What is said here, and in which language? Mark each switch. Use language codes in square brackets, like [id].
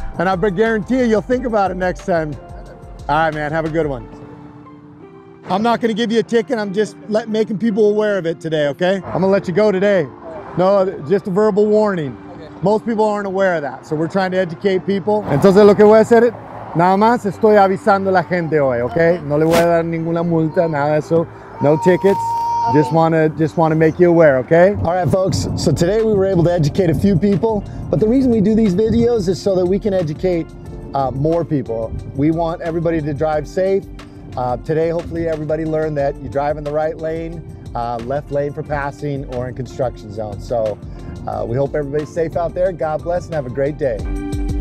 [en] And I guarantee you, you'll think about it next time. All right, man, have a good one. I'm not gonna give you a ticket. I'm just making people aware of it today, okay? I'm gonna let you go today. No, just a verbal warning. Most people aren't aware of that, so we're trying to educate people. [es] Entonces, lo que voy a hacer es, nada más estoy avisando a la gente hoy, okay? No le voy a dar ninguna multa, nada de eso. [en] No tickets. Okay. Just want to make you aware, okay? All right, folks, so today we were able to educate a few people, but the reason we do these videos is so that we can educate more people. We want everybody to drive safe. Today, hopefully everybody learned that you drive in the right lane, left lane for passing, or in construction zones. So we hope everybody's safe out there. God bless and have a great day.